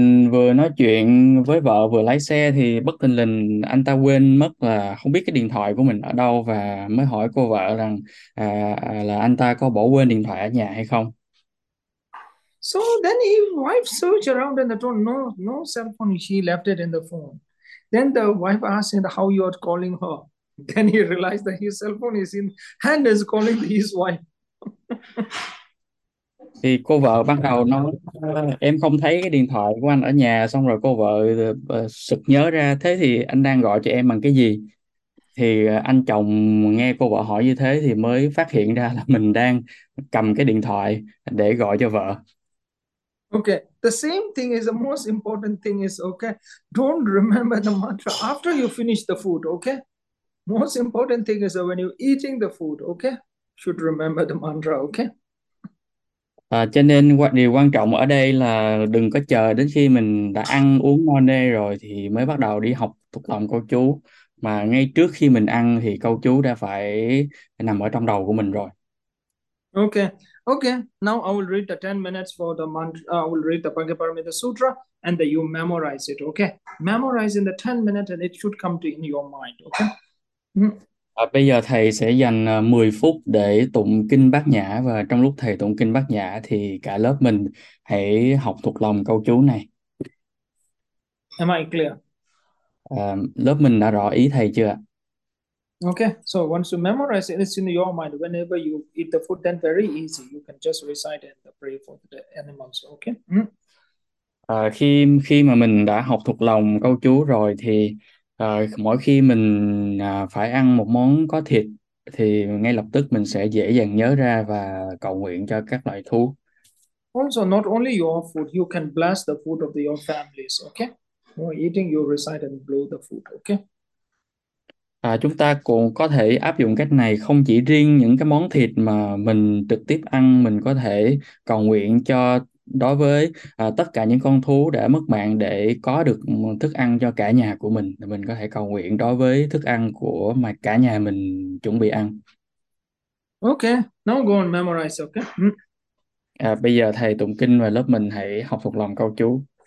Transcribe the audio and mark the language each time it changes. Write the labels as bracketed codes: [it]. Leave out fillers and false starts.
[vi] Vừa nói chuyện với vợ vừa lái xe thì bất thình lình anh ta quên mất là không biết cái điện thoại của mình ở đâu, và mới hỏi cô vợ rằng là anh ta có bỏ quên điện thoại ở nhà hay không. [en] So then his wife searched around and told no cell phone, she left it in the phone. Then the wife asked him how you are calling her. Then he realized that his cell phone is in hand is calling his wife. [vi] Thì cô vợ ban đầu nói em không thấy cái điện thoại của anh ở nhà, xong rồi cô vợ sực nhớ ra thế thì anh đang gọi cho em bằng cái gì. Thì anh chồng nghe cô vợ hỏi như thế thì mới phát hiện ra là mình đang cầm cái điện thoại để gọi cho vợ. [en] Okay, the same thing is the most important thing is okay. Don't remember the mantra after you finish the food, okay? Most important thing is that when you're eating the food, okay? Should remember the mantra, okay? [vi] Cho nên điều quan trọng ở đây là đừng có chờ đến khi mình đã ăn uống no nê rồi thì mới bắt đầu đi học thuộc lòng câu chú, mà ngay trước khi mình ăn thì câu chú đã phải nằm ở trong đầu của mình rồi. [en] Okay. Now I will read the 10 minutes for the mantra. I will read the Pangaparamita Sutra and then you memorize it. Okay. Memorize in the 10 minutes and it should come to in your mind. Okay. [vi] Bây giờ thầy sẽ dành 10 phút để tụng kinh Bát Nhã, và trong lúc thầy tụng kinh Bát Nhã thì cả lớp mình hãy học thuộc lòng câu chú này. [en] Am I clear? [vi] Lớp mình đã rõ ý thầy chưa? [en] Okay, so once you memorize it, it's in your mind. Whenever you eat the food, then very easy. You can just recite and pray for the animals. Okay. [vi] Khi mà mình đã học thuộc lòng câu chú rồi thì mỗi khi mình phải ăn một món có thịt thì ngay lập tức mình sẽ dễ dàng nhớ ra và cầu nguyện cho các loại thú. [en] Also, not only your food, you can bless the food of your families. Okay. When eating, you recite and bless the food. Okay. [vi] Chúng ta cũng có thể áp dụng cách này không chỉ riêng những cái món thịt mà mình trực tiếp ăn, mình có thể cầu nguyện cho đối với tất cả những con thú đã mất mạng để có được thức ăn cho cả nhà của mình. Mình có thể cầu nguyện đối với thức ăn của mà cả nhà mình chuẩn bị ăn. [en] Okay, now go and memorize, okay? [vi] Bây giờ thầy tụng kinh và lớp mình hãy học thuộc lòng câu chú